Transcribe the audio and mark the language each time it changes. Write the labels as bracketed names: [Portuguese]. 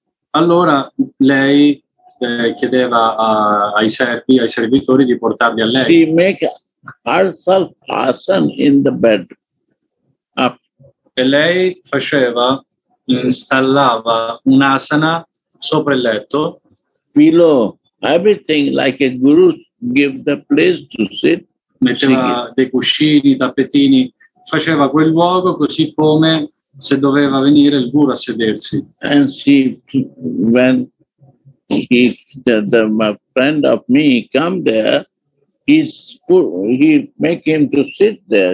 [Italian] Allora lei chiedeva ai servitori di portarli a lei. [English] She make herself fasten in the bed. [Italian] E lei faceva, installava un asana sopra il letto. [English] Below, everything like a guru give the place to sit. [Italian] Metteva dei cuscini, tappetini, faceva quel luogo così come se doveva venire il guru a sedersi. [English] And when the my friend of me come there, he make him to sit there.